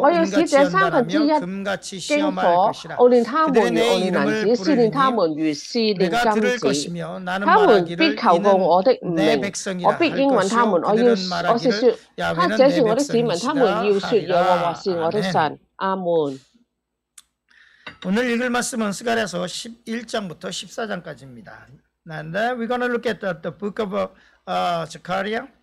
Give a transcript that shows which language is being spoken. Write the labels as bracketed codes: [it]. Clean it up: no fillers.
[zh] 我要使这三分之一经火，奥连他们，奥连他们如试炼他们，他们必求告我的名，我必应允他们，我要这是我的子民，他们要说耶和华是我的神，阿门。 [ko] 오늘 읽을 말씀은 스가랴서 11장부터 14장까지입니다. [en] And then we're gonna look at the book of Zechariah.